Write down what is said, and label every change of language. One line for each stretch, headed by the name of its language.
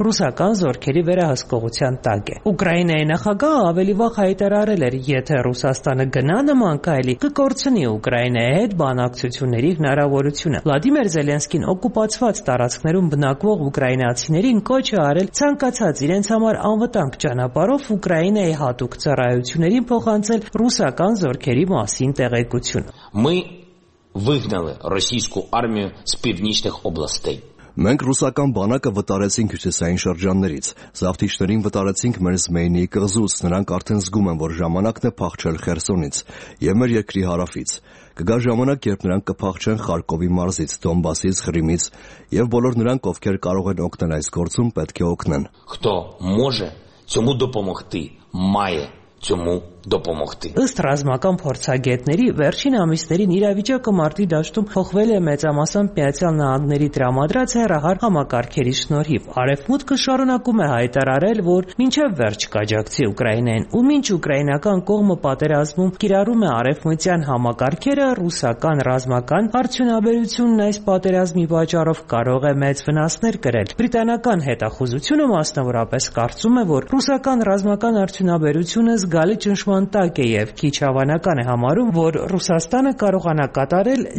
Armenian: ռուսական զորքերի վերահսկողության տակ է։ Ուկրաինայի նախագահ ավելի վաղ հայտարարել էր, եթե Ռուսաստանը գնա նման քայլի, կկորցնի Ուկրաինայի հետ բանակցությունների հնարավորությունը։ Վլադիմիր Զելենսկին օկուպացված տարածքներում բնակվող ուկրաինացիներին կոչ է արել ցանկացած իրենց համար անվտանգ ճանապարհով Ուկրաինայի հատուկ ծառայություններին փոխանցել ռուսական զորքերի մասին տեղեկություն։
Ukrainian: Ми вигнали російську армію з північних областей.
Armenian: Մենք ռուսական բանակը վտարեցինք հյուսիսային շրջաններից։ Զավթիչներին վտարեցինք մեր Զմեյնիի կղզուց, նրանք արդեն զգում են, որ ժամանակն է փախչել Խերսոնից և մեր երկրի հարավից։ Կգա ժամանակ, երբ նրանք կփախչեն Խարկովի մարզից, Դոնբասից, Խրիմից, և բոլոր նրանք, ովքեր կարող են օգնել այս գործում, պետք է օգնեն։
Ukrainian: Хто може цьому допомогти, має цьому допомогти.
Armenian: Ըստ ռազմական փորձագետների, վերջին ամիսներին իրավիճակը մարտի դաշտում փոխվել է մեծամասամբ Միացյալ Նահանգների տրամադրած հեռահար համակարգերի շնորհիվ։ Արևմուտքը շարունակում է հայտարարել, որ մինչև վերջ կաջակցի Ուկրաինային, ու մինչ ուկրաինական կողմը պատերազմում կիրառում է արևմտյան համակարգերը, ռուսական ռազմական արդյունաբերությունն այս պատերազմի պատճառով կարող է մեծ վնասներ կրել։ Բրիտանական հետախուզությունը մասնավորապես կարծում է, որ ռուսական ռազմական արդյունաբերությունը զգալի ճնշման տակ է և քիչ հավանական է համարում, որ Ռուսաստանը կարողանա կատարել